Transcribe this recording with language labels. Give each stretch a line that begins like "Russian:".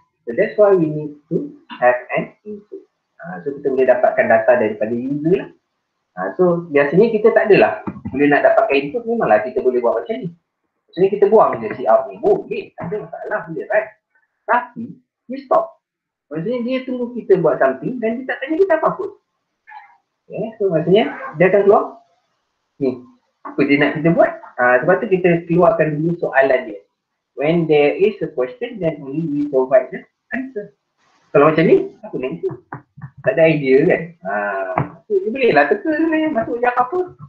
English: So that's why we need to have an input.
Malay: So kita boleh dapatkan data daripada user lah. So biasanya kita tak adalah bila nak dapatkan input memanglah kita boleh buat macam ni. Maksudnya kita buang je si out ni. Boleh, tak ada masalah boleh, right? Tapi dia stop. Maksudnya dia tunggu kita buat something dan dia tak tanya kita apa pun. Okay, so maksudnya dia akan keluar. Ni, apa dia nak kita buat? Sebab tu kita keluarkan dulu soalan dia.
English: When there is a question, then only we provide the answer.
Malay: Kalau macam ni, apa nak kita? Tak ada idea kan? Dia boleh lah teka ni, masuk jawab apa.